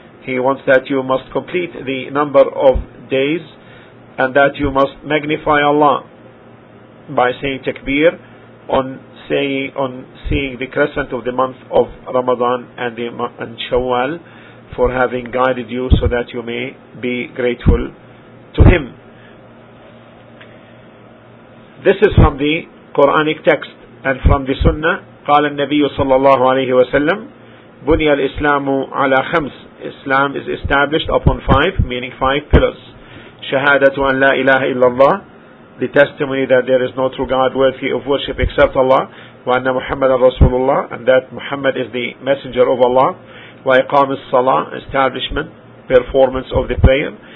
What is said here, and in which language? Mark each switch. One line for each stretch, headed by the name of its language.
English: He wants that you must complete the number of days, and that you must magnify Allah by saying takbir on seeing the crescent of the month of Ramadan and Shawwal, for having guided you, so that you may be grateful to him. This is from the Quranic text and from the Sunnah.
Arabic: قال النبي صلى الله عليه وسلم بني الإسلام على خمس.
English: Islam is established upon five, meaning five pillars.
Arabic: شهادة أن لا إله إلا الله,
English: the testimony that there is no true God worthy of worship except Allah,
Arabic: وأن محمد رسول الله,
English: and that Muhammad is the messenger of Allah.
Arabic: وإقام الصلاة,
English: establishment, performance of the prayer.